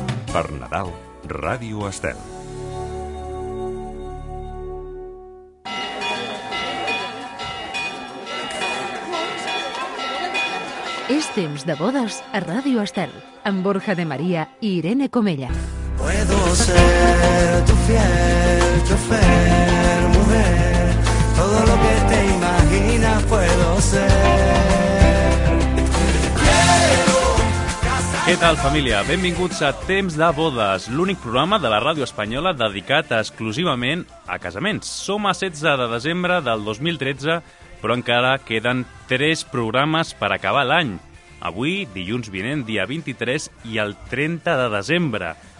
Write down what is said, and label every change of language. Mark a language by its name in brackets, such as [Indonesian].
[Catalan] Per Nadal, Ràdio Estel. És temps de bodes a Ràdio Estel, amb Borja de Maria i Irene Comella. [Spanish] Puedo ser tu fiel chofer, mujer, todo lo que te imaginas puedo ser. [Catalan] Què tal, família? Benvinguts a Temps de Bodes, l'únic programa de la ràdio espanyola dedicat exclusivament a casaments. Som a 16 de desembre del 2013, però encara queden 3 programes per acabar l'any. Avui, dilluns vinent, dia 23 i el 30 de desembre.